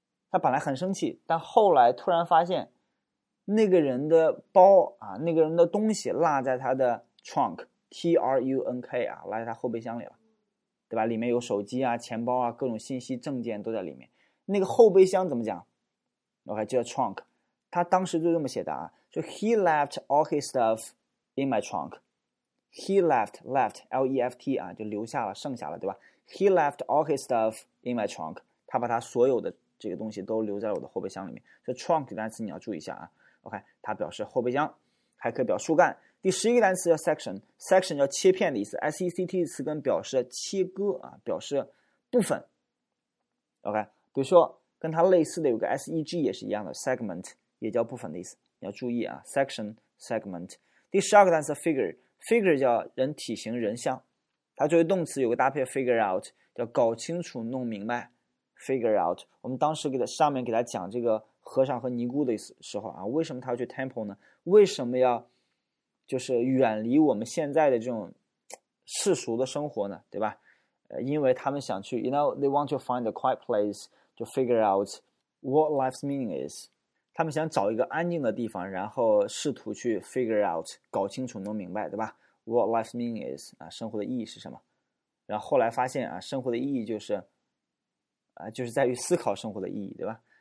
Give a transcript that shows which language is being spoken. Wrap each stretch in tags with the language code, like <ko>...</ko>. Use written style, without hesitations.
<zh>他本来很生气，但后来突然发现那个人的包啊，那个人的东西落在他的 trunk,T-R-U-N-K 啊，落在他后备箱里了，对吧？里面有手机啊、钱包啊、各种信息、证件都在里面。那个后备箱怎么讲 ？OK, 叫 trunk。他当时就这么写的啊，就</zh> <en>he left all his stuff in my trunk. He left, L-E-F-T 啊，</en> <zh>就留下了，剩下了，对吧</zh> <en>？He left all his stuff in my trunk.</en> <zh>他把他所有的这个东西都留在了我的后备箱里面。这 trunk 单词你要注意一下啊。 OK, 它表示后备箱，还可以表树干。第十一个单词叫 section 叫切片的意思 ，S-E-C-T 词根表示切割啊，表示部分。 OK。比如说跟它类似的有个 SEG 也是一样的 segment 也叫部分的意思，你要注意啊</zh> <en>section segment。</en> <zh>第十二个单词 figure 叫人体型人像，它作为动词有个搭配</zh> <en>figure out</en> <zh>叫搞清楚弄明白 figure out。我们当时给它上面给它讲这个和尚和尼姑的时候啊，为什么它要去 temple 呢？为什么要就是远离我们现在的这种世俗的生活呢，对吧？因为他们想去</zh> <en>you know, they want to find a quiet place to figure out what life's meaning is.</en> <zh>他们想找一个安静的地方，然后试图去</zh> <en>figure out,</en> <zh>搞清楚能明白，对吧？</zh> <en>What life's meaning is,</en> <zh>啊，生活的意义是什么。然后后来发现啊，生活的意义就是啊，就是在于思考生活的意义，对吧？</zh>